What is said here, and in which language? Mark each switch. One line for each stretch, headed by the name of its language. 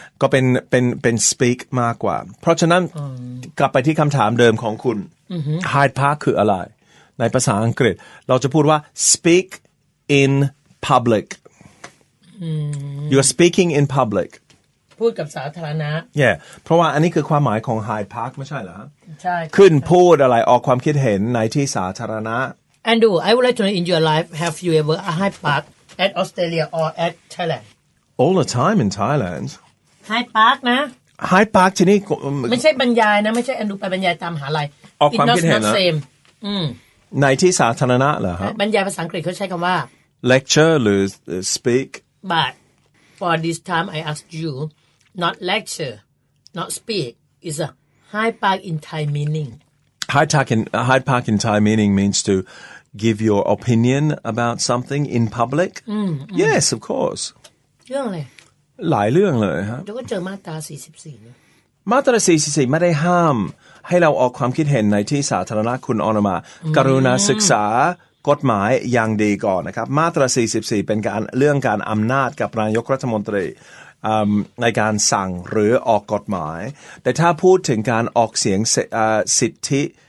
Thai: ก็เป็น speak มากกว่าเพราะฉะนั้นกลับไปที่คำถามเดิมของคุณHyde Park คืออะไรในภาษาอังกฤษเราจะพูดว่า speak in public
English: you're speaking in public
Thai: พูดกับสาธารณะ yeah เพราะว่าอันนี้คือความหมายของ Hyde Park ไม่ใช่เหรอ ใช่ ขึ้นพูดอะไรออกความคิดเห็นในที่สาธารณะ
English: Andrew I would like to know in your life have you ever a Hyde Park at Australia or at Thailand all the time in Thailand
Thai: Hyde Park นะ Hyde Park ที่นี่ ไม่ใช่บรรยายนะไม่ใช่ Andrew ไปบรรยายตามมหาลัย ออกความคิดเห็นนะในที่สาธารณะเหรอครับ บรรยายภาษาอังกฤษเขาใช้คำว่า
English: lecture หรือ speak but for this time I ask you not lecture not speak is a Hyde Park in Thai meaning Hyde Park in Thai meaning means to give your opinion about something in public yes of course
Thai: เรื่องอะไร หลายเรื่องเลยฮะ แล้วก็เจอมาตรา44 มาตรา44ไม่ได้ห้ามให้เราออกความคิดเห็นในที่สาธารณะคุณอนุมาการุณาศึกษากฎหมายอย่างดีก่อนนะครับมาตรา44เป็นการเรื่องการอำนาจกับนายกรัฐมนตรีในการสั่งหรือออกกฎหมายแต่ถ้าพูดถึงการออกเสียง สิทธิ